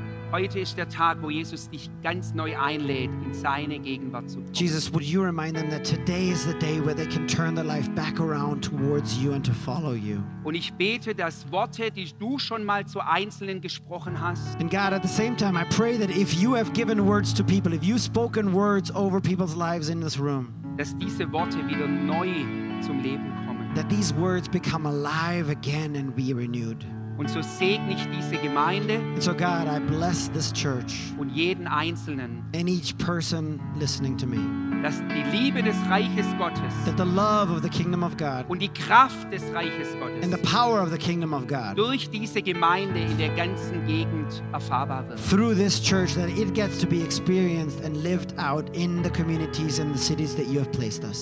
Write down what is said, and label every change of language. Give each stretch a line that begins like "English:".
German: Heute ist der Tag, wo Jesus dich ganz neu einlädt, in seine Gegenwart zu kommen.
English: Jesus, would you remind them that today is the day where they can turn their life back around towards you and to follow you?
German: Und ich bete, dass Worte, die du schon mal zu Einzelnen gesprochen hast,
English: and God, at the same time, I pray that if you have given words to people, if you've spoken words over people's lives in this room,
German: dass diese Worte wieder neu zum Leben kommen.
English: That these words become alive again and be renewed.
German: Und so segne ich diese Gemeinde.
English: And so God, I bless this church.
German: Und jeden Einzelnen.
English: And each person listening to me.
German: Dass die Liebe des Reiches Gottes.
English: That the love of the kingdom of God.
German: Und die Kraft des Reiches Gottes.
English: And the power of the kingdom of God.
German: Durch diese Gemeinde in der ganzen Gegend erfahrbar wird.
English: Through this church that it gets to be experienced and lived out in the communities and the cities that you have placed us.